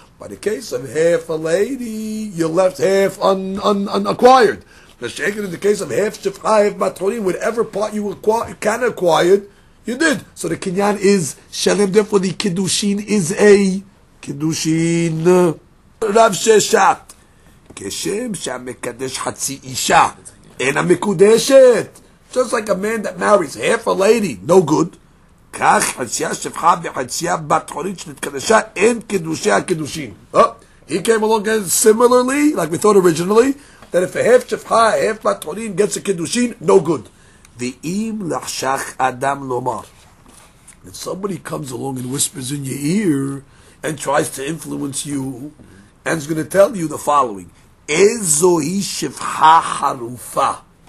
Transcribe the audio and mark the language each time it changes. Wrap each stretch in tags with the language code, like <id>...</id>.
<en>But the case of half a lady, you left half unacquired.</en> <he>ושאגן</he> <en>in the case of half שפחה, half בתחונית, whatever part you can acquired, you did. So the קניין is</en> <he>שלם דפו,</he> <en>the קדושין is a קדושין.</en> <he>רב ששת. כשם שהמקדש חצי אישה, אין המקודשת.</he> <en>Just like a man that marries half a lady, no good.</en> <he>כך חצייה שפחה וחצייה בתחורית שנתקדשה, אין קדושי הקדושים.</he> <en>He came along again similarly, like we thought originally, that if a half שפחה, half בתחורית gets a קדושים, no good.</en> <he>ואם לחשך אדם לומר,</he> <en>if somebody comes along and whispers in your ear, and tries to influence you, and is going to tell you the following,</en> <he>Ezohi shifha harufa.</he>